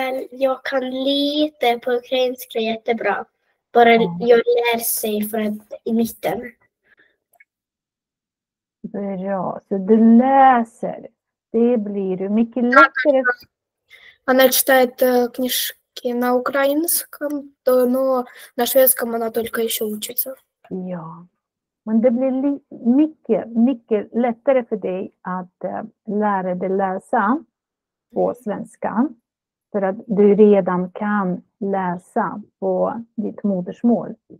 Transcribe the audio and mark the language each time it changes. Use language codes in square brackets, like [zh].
[sv] Jag kan lite på ukrainska jättebra. Bara jag lär sig från i mitten. Bra, så du läser. Det blir ju mycket lättare. [ru] Она читает книжки на украинском, но на шведском она только еще учится. [sv] Ja, men det blir mycket lättare för dig att lära dig läsa på svenska. För att du redan kan läsa på ditt modersmål.